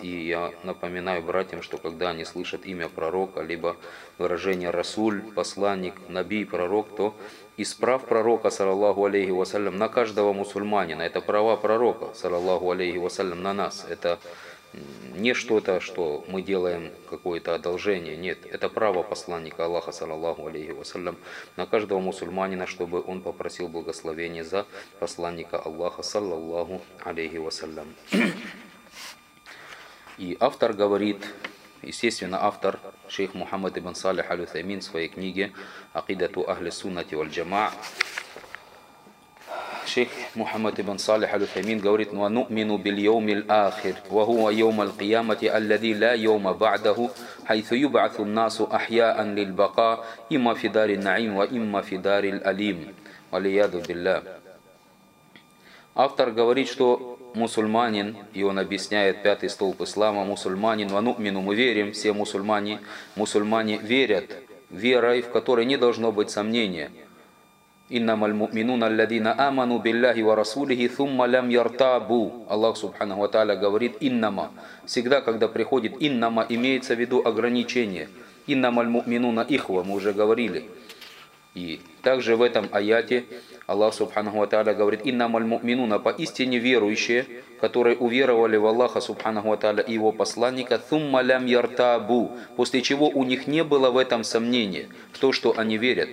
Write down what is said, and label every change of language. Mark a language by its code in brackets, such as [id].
[ru] И я напоминаю братьям, что когда они слышат имя пророка, либо выражение «расуль», «посланник», «наби», «пророк», то из прав пророка, саллаллаху алейхи вассалям, на каждого мусульманина, это права пророка, саллаллаху алейхи вассалям, на нас, это не что-то, что мы делаем какое-то одолжение, нет, это право посланника Аллаха, саллаллаху алейхи вассалям, на каждого мусульманина, чтобы он попросил благословения за посланника Аллаха, саллаллаху алейхи вассалям. И автор говорит, естественно, автор, шейх Мухаммад ибн Салих аль-Утаймин, в своей книге «Акидату Ахли Суннати валь Джамаа», شيخ محمد بن صالح الفهمين говорит: [ar] ونؤمن باليوم الآخر وهو يوم القيامة الذي لا يوم بعده حيث يبعث الناس أحياء للبقاء إما في دار النعيم وإما في دار الأليم والعياذ بالله. [ru] Автор говорит, что мусульманин, и он объясняет пятый столб ислама, мусульманин, ونؤمنوا, мы верим, все мусульмане, мусульмане верят верой, в которой не должно быть сомнения. [ar] إنما المؤمنون الذين آمنوا بالله ورسوله ثم لم يرتابوا. [ru] Аллах Субханаху ва Тааля говорит إنما. Всегда, когда приходит إنما, имеется в виду ограничение. [ar] إنما المؤمنون إخوة, [ru] мы уже говорили. И также в этом аяте Аллах Субханаху ва Тааля говорит [ar] إنما المؤمنون, [ru] поистине верующие, которые уверовали в Аллаха Субханаху ва Тааля и его посланника, [ar] ثم لم يرتابوا, [ru] после чего у них не было в этом сомнения, то, что они верят.